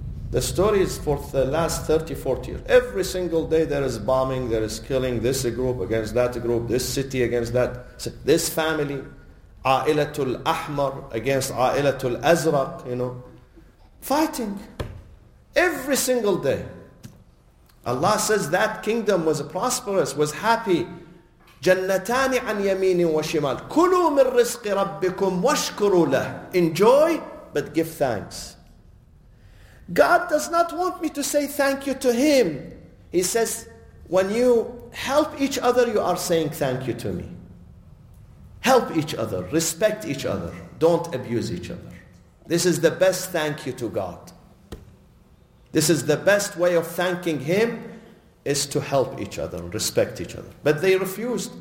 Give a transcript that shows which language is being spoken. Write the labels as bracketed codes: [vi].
[en] The story is for the last 30, 40 years. Every single day there is bombing, there is killing this group against that group, this city against that. This family, A'ilatul Ahmar against A'ilatul Azraq, you know. Fighting. Every single day. Allah says that kingdom was prosperous, was happy. [ar] جَنَّتَانِ عَنْ يَمِينٍ وَشِمَالٍ كُلُوا مِنْ رِزْقِ رَبِّكُمْ وَشْكُرُوا لَهُ [en] Enjoy, but give thanks. God does not want me to say thank you to him. He says, when you help each other, you are saying thank you to me. Help each other, respect each other, don't abuse each other. This is the best thank you to God. This is the best way of thanking him, is to help each other, respect each other. But they refused.